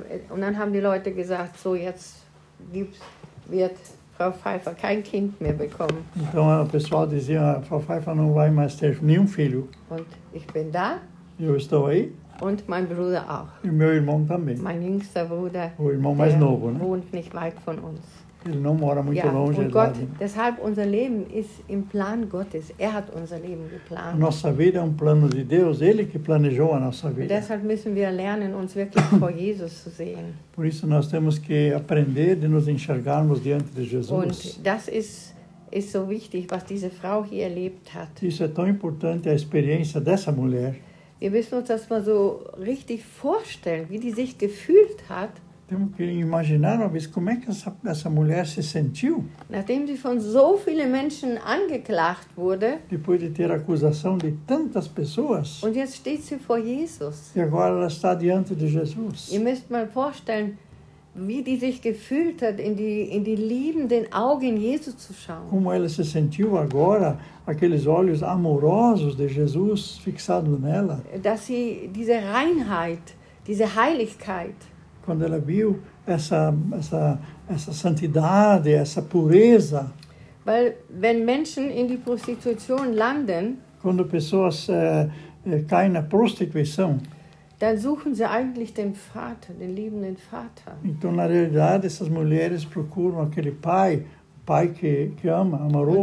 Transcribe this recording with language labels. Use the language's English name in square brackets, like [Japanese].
[German] Und dann haben die Leute gesagt, so jetzt wird Frau Pfeiffer kein Kind mehr bekommen. [Portuguese] Então, o pessoal dizia, Frau Pfeiffer não vai mais ter nenhum filho. [German] Und ich bin da. [Portuguese] Eu estou aí. [German] Und mein Bruder auch. [Portuguese] E meu irmão também. [German] Mein jüngster Bruder. [Portuguese] O irmão mais novo, né? [German] Wohnt nicht weit von uns. [Portuguese] Ele não mora muito longe. [German] Und Gott, deshalb unser Leben ist im Plan Gottes. Er hat unser Leben geplant. [Portuguese] Nossa vida é plano de Deus, ele que planejou a nossa vida. [German] Und deshalb müssen wir lernen, uns wirklich vor Jesus zu sehen. [Portuguese] Por isso nós temos que aprender de nos enxergarmos diante de Jesus. [German] Und das ist so wichtig, was diese Frau hier erlebt hat. [Portuguese] Isso é tão importante, a experiência dessa mulher. [German] Wir müssen uns das mal so richtig vorstellen, wie die sich gefühlt hat. [Portuguese] Temos que imaginar uma vez como é que essa mulher se sentiu. [German] Nachdem sie von so vielen Menschen angeklagt wurde. [Portuguese] Depois de ter acusação de tantas pessoas. [German] Und jetzt steht sie vor Jesus. [Portuguese] E agora ela está diante de Jesus. [German] Ihr müsst mal vorstellen, wie die sich gefühlt hat, in die liebenden Augen Jesus zu schauen. [Portuguese] Como ela se sentiu agora, aqueles olhos amorosos de Jesus fixados nela. [German] Dass sie diese Reinheit, diese Heiligkeit. [Portuguese] Quando ela viu essa santidade, essa pureza. [German] Weil, wenn Menschen in die Prostitution landen, [Portuguese] quando pessoas caem na prostituição, [German] dann suchen sie eigentlich den Vater, den liebenden Vater. [Portuguese] Então, na realidade, essas mulheres procuram aquele pai que ama, amoroso.